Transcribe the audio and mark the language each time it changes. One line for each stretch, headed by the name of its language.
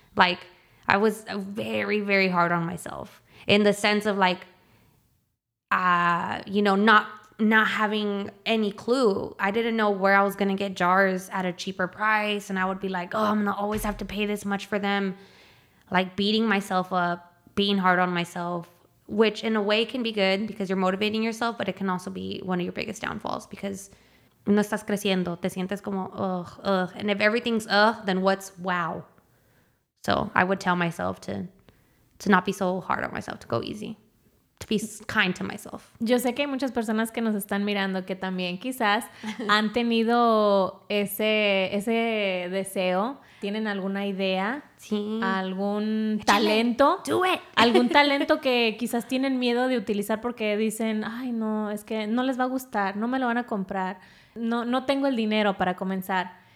English: Like, I was very, very hard on myself in the sense of, like, you know, not having any clue. I didn't know where I was going to get jars at a cheaper price. And I would be like, oh, I'm going to always have to pay this much for them. Like, beating myself up, being hard on myself, which in a way can be good because you're motivating yourself, but it can also be one of your biggest downfalls, because
Spanish: no estás creciendo, te sientes como ugh, ugh.
English: And if everything's ugh, then what's wow? So I would tell myself to not be so hard on myself, to go easy, to be kind to myself.
Spanish: Yo sé que hay muchas personas que nos están mirando que también quizás han tenido ese deseo, tienen alguna idea, sí, algún talento.
English: Do it.
Spanish: Algún talento que quizás tienen miedo de utilizar porque dicen, ay no, es que no les va a gustar, no me lo van a comprar, no tengo el dinero para comenzar.